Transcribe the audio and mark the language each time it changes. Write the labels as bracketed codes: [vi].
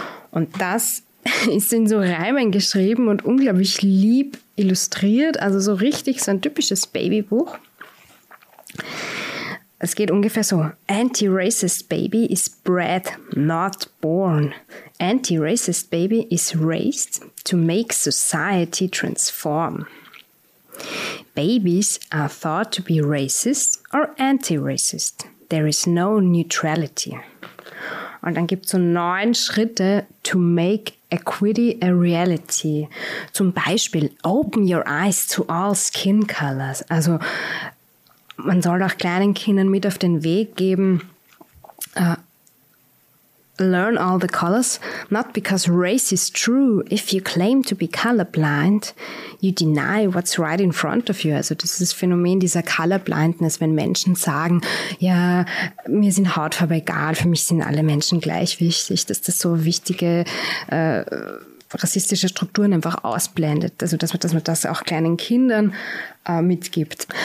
[de] Und das ist in so Reimen geschrieben und unglaublich lieb illustriert, also so richtig so ein typisches Babybuch. Es geht ungefähr so: [en] Anti-Racist Baby is bred, not born. Anti-Racist Baby is raised to make society transform. Babies are thought to be racist or anti-racist. There is no neutrality. [de] Und dann gibt es so 9 Schritte [en] to make equity a reality. [de] Zum Beispiel: [en] open your eyes to all skin colors. [de] Also man soll auch kleinen Kindern mit auf den Weg geben, [en] learn all the colors, not because race is true. If you claim to be colorblind, you deny what's right in front of you. [de] Also das ist das Phänomen dieser Colorblindness, wenn Menschen sagen, ja, mir sind Hautfarbe egal, für mich sind alle Menschen gleich wichtig, dass das so wichtige rassistische Strukturen einfach ausblendet, also dass man das auch kleinen Kindern mitgibt.